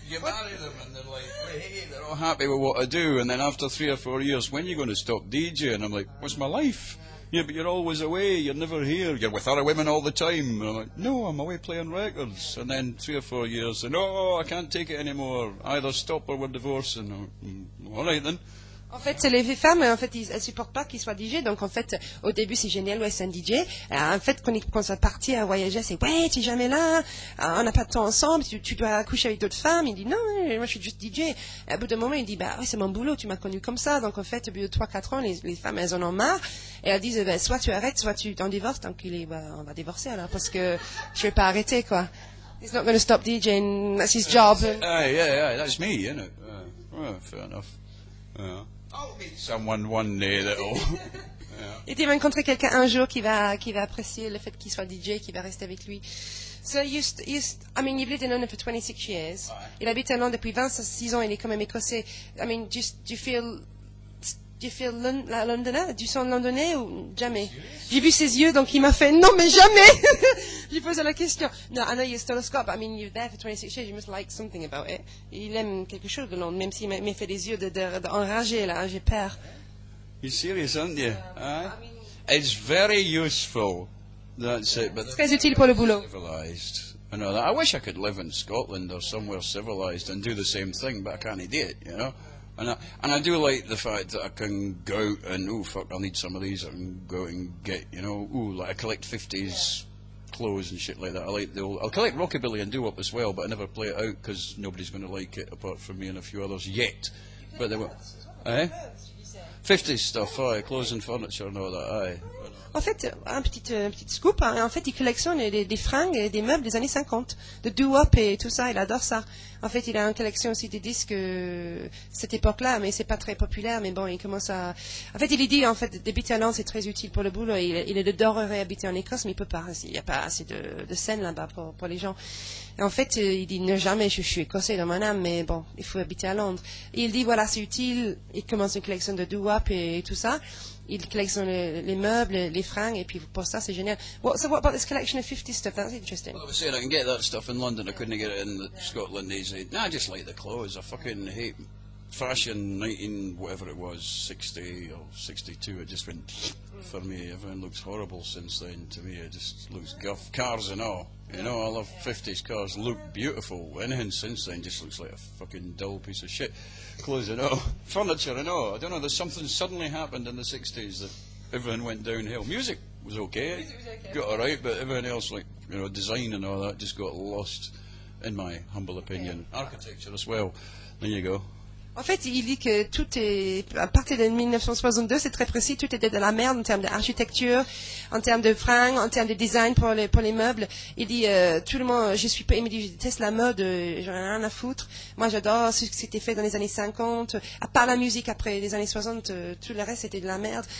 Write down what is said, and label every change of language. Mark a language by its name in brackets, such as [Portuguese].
[English] You marry them and they're like, hey, they're all happy with what I do. And then after 3 or 4 years, when are you going to stop DJing? I'm like, what's my life? Yeah, but you're always away, you're never here, you're with other women all the time. And I'm like, no, I'm away playing records. And then 3 or 4 years, and oh, I can't take it anymore. Either stop or we're divorcing. All right then. [French] En fait, c'est les femmes, en fait, elles supportent pas qu'il soit DJ. Donc, en fait, au début, c'est génial, ouais, c'est un DJ. En fait, quand ils commencent à partir, à voyager, c'est, ouais, tu es jamais là, on n'a pas de temps ensemble, tu dois coucher avec d'autres femmes. Il dit, non, moi, je suis juste DJ. Et à bout d'un moment, il dit, bah, ouais, c'est mon boulot, tu m'as connu comme ça. Donc, en fait, au bout de 3-4 ans, les femmes, elles en ont marre. Et elles disent, bah, soit tu arrêtes, soit tu t'en divorces. Donc, il est, bah, on va divorcer, alors, parce que je vais pas arrêter, quoi. [English] He's not going to stop DJing, that's his job. Yeah, that's me, isn't it? Fair enough. Yeah. Someone one day that'll. [French] Et tu vas rencontrer quelqu'un un jour qui va apprécier le fait qu'il soit DJ, qui va rester avec lui. [English] So I mean, you've lived in London for 26 years. Aye. [French] Il habite à Londres depuis 26 ans. Il est quand même écossais. [English] I mean, do you feel Londoner? Do you sound [French] Londonais ou jamais? J'ai vu ses yeux, donc il m'a fait non, mais jamais. J'ai posé la question. [English] No, I know you're still a Scot, but I mean, you're there for 26 years. You must like something about it. [French] Il aime quelque chose de Londres, même s'il m'a fait des yeux d'enragé là. J'ai peur. [English] You're serious, aren't you? I mean, it's very useful. That's it. But [French] très utile pour le boulot. [English] Civilized. I know that. I wish I could live in Scotland or somewhere civilized and do the same thing, but I can't do it. You know. And I do like the fact that I can go out and, oh fuck, I'll need some of these, and go out and get, you know, ooh, like I collect 50s clothes and shit like that. I like the old, I'll collect rockabilly and do up as well, but I never play it out because nobody's going to like it apart from me and a few others yet. But they were, eh? 50s stuff, aye, clothes and furniture and all that, aye. [French] En fait, un petit scoop, hein. En fait, il collectionne des fringues et des meubles des années 50, de doo-wop et tout ça, il adore ça. En fait, il a une collection aussi des disques cette époque-là, mais c'est pas très populaire, mais bon, il commence à... En fait, il dit, en fait, d'habiter à Londres, c'est très utile pour le boulot, il adorerait habiter en Écosse, mais il peut pas, il y a pas assez de scène là-bas pour les gens. Et en fait, il dit, ne jamais, je suis écossais dans mon âme, mais bon, il faut habiter à Londres. Et il dit, voilà, c'est utile, il commence une collection de doo-wop et tout ça. ils collectionnent les meubles, les fringues, et puis pour ça, c'est génial. [English] Well, so what about this collection of 50 stuff? That's interesting. Well, I was saying I can get that stuff in London. I couldn't get it in Scotland easy. No, I just like the clothes. I fucking hate fashion 19, whatever it was, 60 or 62. It just went for me. Everyone looks horrible since then to me. It just looks guff. Cars and all. You know, I love 50s cars. Look beautiful. Anything since then just looks like a fucking dull piece of shit. Clothes and all. Furniture and all. I don't know. There's something suddenly happened in the 60s that everything went downhill. Music was okay. Music was okay. Got all right, but everything else, like, you know, design and all that, just got lost, in my humble opinion. Okay. Architecture as well. There you go. [French] En fait, il dit que tout est, à partir de 1962, c'est très précis, tout était dans la merde en termes d'architecture, en termes de fringues, en termes de design pour les meubles. Il dit, tout le monde, je suis pas, il me dit, je déteste la mode, j'en ai rien à foutre. Moi, j'adore ce qui s'était fait dans les années 50. À part la musique après les années 60, tout le reste était de la merde.